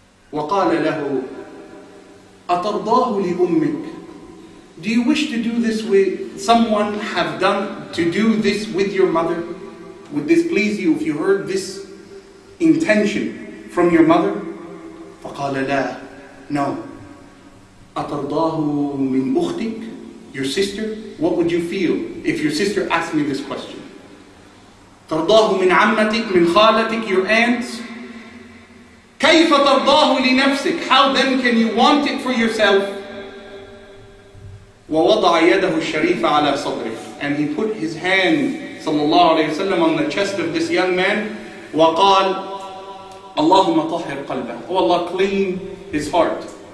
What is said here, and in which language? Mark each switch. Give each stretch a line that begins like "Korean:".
Arabic: وَقَالَ لَهُ أَتَرْضَاهُ لِأُمِّكَ,
English: do you wish to do this with someone, have done to do this with your mother? Would this please you if you heard this intention from your mother?
Arabic: فَقَالَ لَا,
English: no.
Arabic: أَتَرْضَاهُ مِنْ أُخْتِكَ,
English: your sister? What would you feel if your sister asked me this question?
Arabic: تَرْضَاهُ مِنْ عَمَّتِكَ, مِنْ خَالَتِكَ,
English: your aunts?
Arabic: كَيْفَ تَرْضَاهُ لِنَفْسِكَ,
English: how then can you want it for yourself?
Arabic: وَوَضَعَ يَدَهُ الشَّرِيفَ عَلَى صَدْرِهِ,
English: and he put his hand, sallallahu alayhi wa sallam, on the chest of this young man.
Arabic: وَقَالْ اللَّهُمَ طَهِرْ قَلْبَهُ,
English: oh Allah, clean his heart.